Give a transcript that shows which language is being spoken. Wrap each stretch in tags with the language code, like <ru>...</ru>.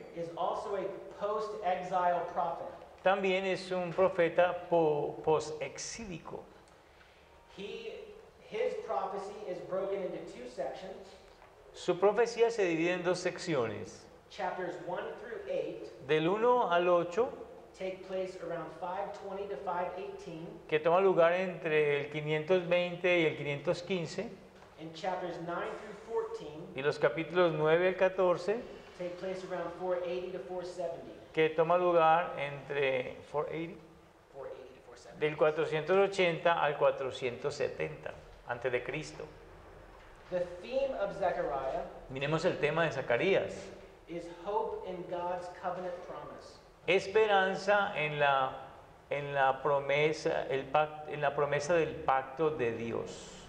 <en>Is also a post-exile prophet.</en> <es>También es un profeta post-exílico.</es> <en>His prophecy is broken into two sections.</en> <es>Su profecía se divide en dos secciones.</es> <en>Chapters 1 through 8,</en> <es>del 1 al 8,</es> <en>take place around 520 to 518,</en> <es>que toma lugar entre el 520 y el 515,</es> <en>and chapters 9 through 14,</en> <es>y los capítulos 9 al 14,</es> <en>take place around 480 to 470.</en> <es>Que toma lugar entre 480 del 480 al 470 antes de Cristo.</es> <en>The theme of Zechariah,</en> <es>miremos el tema de Zacarías,</es> <en>is hope in God's covenant promise.</en> <es>Esperanza en la promesa del pacto de Dios.</es>